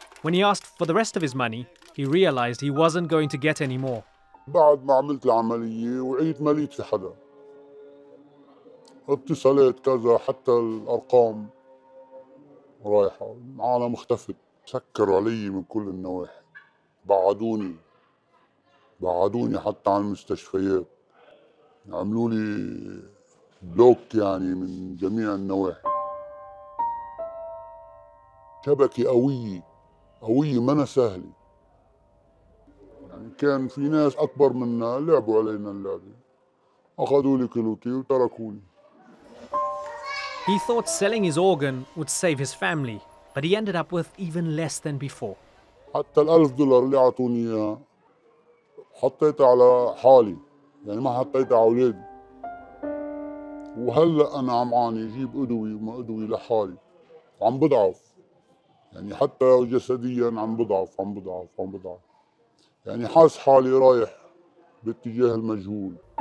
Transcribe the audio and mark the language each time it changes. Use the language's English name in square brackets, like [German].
[English] When he asked for the rest of his money, he realized he wasn't going to get any more. [Arabic] بعد ما عملت العملية وعيد مليت في حدا. اتصالات كذا حتى الأرقام رايحة. العالم اختفت. سكروا علي من كل النواحي. بعدوني. بعدوني حتى عن المستشفيات. عملوا لي بلوك يعني من جميع النواحي. شبكة قوية. قوية منا سهلة. يعني كان في ناس أكبر منا لعبوا علينا اللعبة. أخذوا لي كيلوتي وتركوني. [English] He thought selling his organ would save his family, but he ended up with even less than before. [Arabic] حتى الألف دولار اللي عطوني إياه حطيت على حالي. يعني ما حطيت على أولادي. وهلأ أنا عم عاني جيب أدوي وما أدوي لحالي. عم بضعف. يعني حتى جسديا عم بضعف يعني حاس حالي رايح باتجاه المجهول.